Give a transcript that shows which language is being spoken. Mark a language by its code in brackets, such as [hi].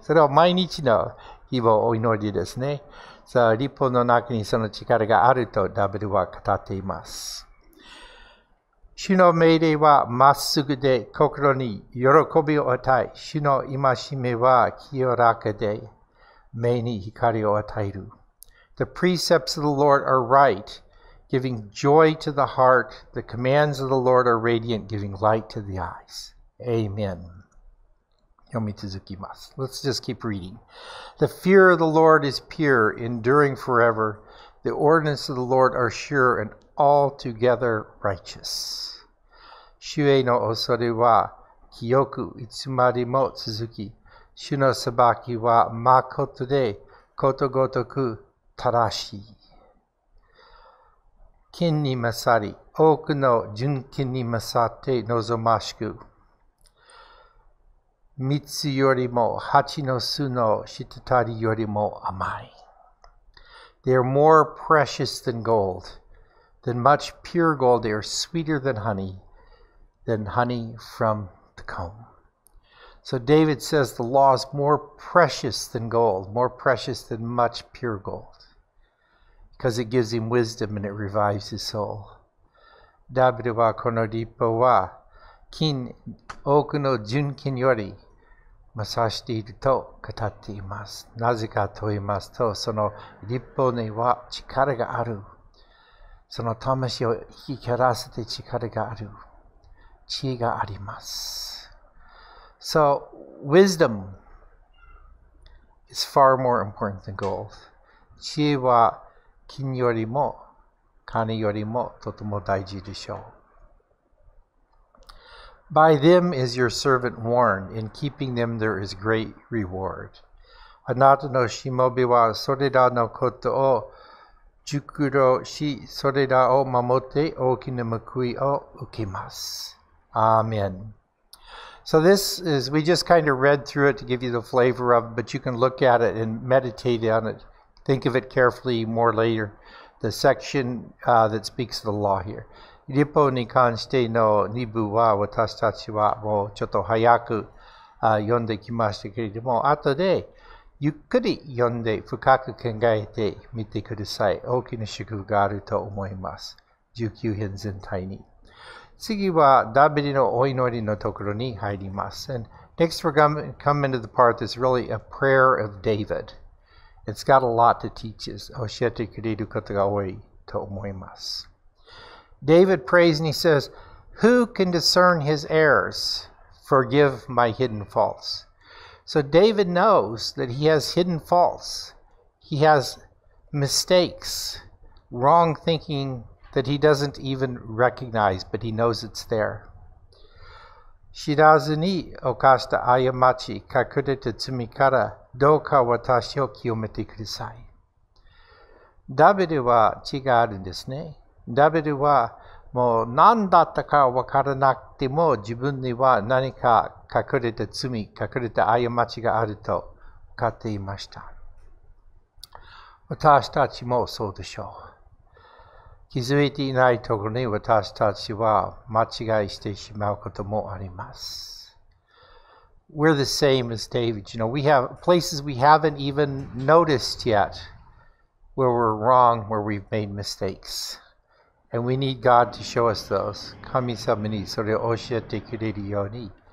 [ja] それは毎日の希望をお祈りですね。さあ、律法の中にその力があるとダビデは語っています。主の命令はまっすぐで心に喜びを与え、主の戒めは清らかで目に光を与える。 [en] The precepts of the Lord are right, giving joy to the heart. The commands of the Lord are radiant, giving light to the eyes. Amen. [ja] 読み続きます。 [en] Let's just keep reading. The fear of the Lord is pure, enduring forever. The ordinances of the Lord are sure and altogether righteous. [ja] 主への恐れは清くいつまでも続き、主の裁きはまことでことごとく正しい。金に勝り、多くの純金に勝って望ましく、蜜よりも蜂の巣のしたたりよりも甘い。 [en] They are more precious than gold, than much pure gold. They are sweeter than honey from the comb. So David says the law is more precious than gold, more precious than much pure gold, because it gives him wisdom and it revives his soul. [ja] ダビデはこの律法は金、多くの純金よりまさしていると語っています。なぜかと言いますと、その律法には力がある。その魂を生き返らせて力がある。知恵があります。 [en] So, wisdom is far more important than gold. [ja] 知恵は金よりも金よりもとても大事でしょう。 [en] By them is your servant warned. In keeping them there is great reward. [ja] あなたのしもべはそれらのことを熟慮し、それらを守って大きな報いを受けます。 [en] Amen. So this is, we just kind of read through it to give you the flavor of it, but you can look at it and meditate on it. Think of it carefully more later. The section that speaks of the law here. [ja] 律法に関しての2部は私たちはもうちょっと早く読んできましたけれども、後でゆっくり読んで深く考えてみてください。大きな祝福があると思います。19編全体に。次はダビデのお祈りのところに入ります。 [en] And next we're coming into the part that's really a prayer of David. It's got a lot to teach us. [ja] 教えてくれることが多いと思います。 [en] David prays and he says, Who can discern his errors? Forgive my hidden faults. So David knows that he has hidden faults. He has mistakes, wrong thinking that he doesn't even recognize, but he knows it's there. [ja] 知らずに犯した過ち、隠れた罪からどうか私を清めてください。ダビデは違うんですね。ダビデはもう何だったか分からなくても自分には何か隠れた罪、隠れた過ちがあると分かっていました。私たちもそうでしょう。気づいていないところに私たちは間違いしてしまうこともあります。 [en] We're the same as David. You know, we have places we haven't even noticed yet where we're wrong, where we've made mistakes. And we need God to show us those. [ja] 神様にそれを教えてくれるように